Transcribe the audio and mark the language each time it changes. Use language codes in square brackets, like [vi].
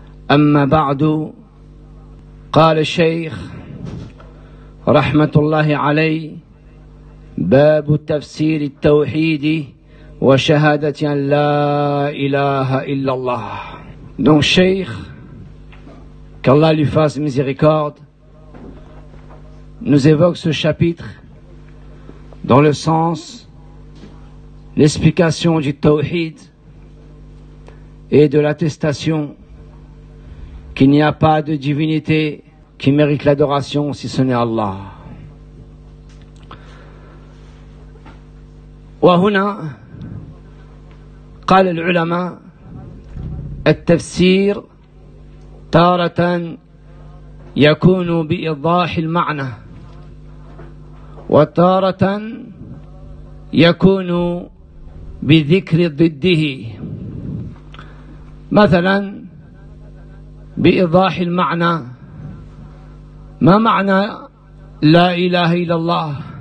[ar] أما بعد، قال الشيخ رحمة الله عليه: باب تفسير التوحيد وشهادة أن لا إله إلا الله. دونك الشيخ، [fr] qu'Allah lui fasse miséricorde, nous évoque ce chapitre dans le sens, l'explication du tawhid et de l'attestation qu'il n'y a pas de divinité qui mérite l'adoration si ce n'est Allah. [ar] وَهُنَا قَالَ الْعُلَمَا التَّفْسِيرِ تارة يكون بإيضاح المعنى وتارة يكون بذكر ضده، مثلا بإيضاح المعنى، ما معنى لا إله إلا الله؟